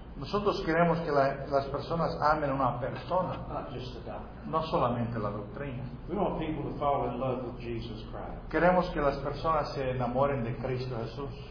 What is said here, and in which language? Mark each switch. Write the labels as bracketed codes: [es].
[es] Nosotros queremos que las personas amen a una persona. [en] Not just the doctrine. [es] No solamente la doctrina. [en] We want people to fall in love with Jesus Christ. [es] Queremos que las personas se enamoren de Cristo Jesús.